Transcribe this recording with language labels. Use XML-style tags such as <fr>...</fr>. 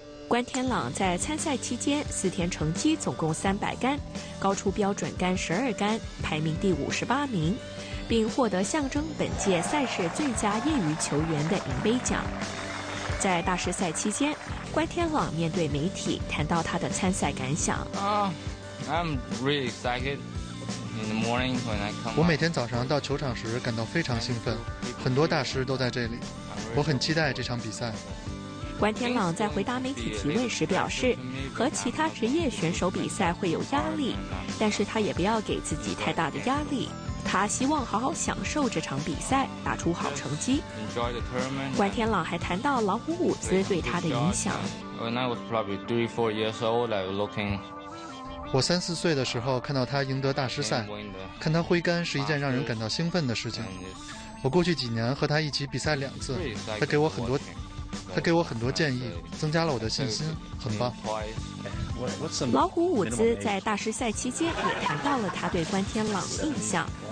<zh>关天朗在参赛期间4天成绩总共300杆，高出标准杆12杆，排名第58名，并获得象征本届赛事最佳业余球员的银杯奖。在大师赛期间，关天朗面对媒体谈到他的参赛感想。</zh> <en>I'm really excited in the morning when I come.</en> <zh>我每天早上到球场时感到非常兴奋，很多大师都在这里，我很期待这场比赛。关天朗在回答媒体提问时表示，和其他职业选手比赛会有压力，但是他也不要给自己太大的压力，他希望好好享受这场比赛，打出好成绩。关天朗还谈到老虎伍兹对他的影响。</zh> <en>When I was probably 3-4 years old, I was looking.</en> <zh>我3-4岁的时候看到他赢得大师赛，看他挥杆是一件让人感到兴奋的事情。我过去几年和他一起比赛2次，他给我很多建议，增加了我的信心，很棒。老虎伍兹在大师赛期间也谈到了他对关天朗印象。</zh>